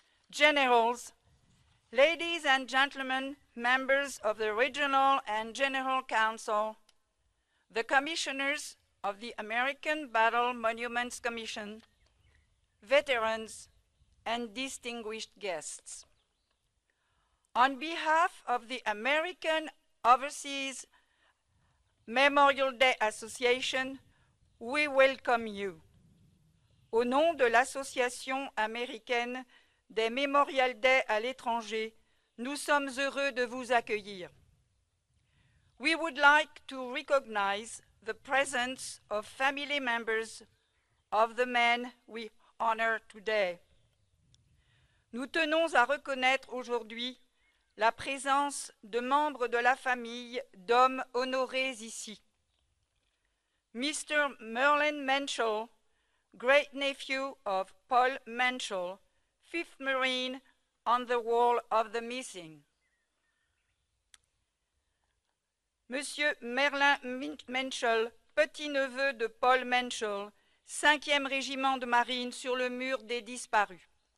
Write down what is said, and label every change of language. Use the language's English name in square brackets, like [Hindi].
[English] generals, ladies and gentlemen, members of the Regional and General Council, the commissioners of the American Battle Monuments Commission, veterans, and distinguished guests. On behalf of the American Overseas Memorial Day Association, we welcome you. [French] Au nom de l'Association américaine des Memorial Day à l'étranger, nous sommes heureux de vous accueillir. [English] We would like to recognize the presence of family members of the men we honor today. [French] Nous tenons à reconnaître aujourd'hui la présence de membres de la famille d'hommes honorés ici. [English] Mr. Merlin Menschel, great nephew of Paul Menschel, 5th Marine on the Wall of the Missing. [French] Monsieur Merlin Menschel, petit-neveu de Paul Menschel, 5e Régiment de Marine sur le mur des disparus.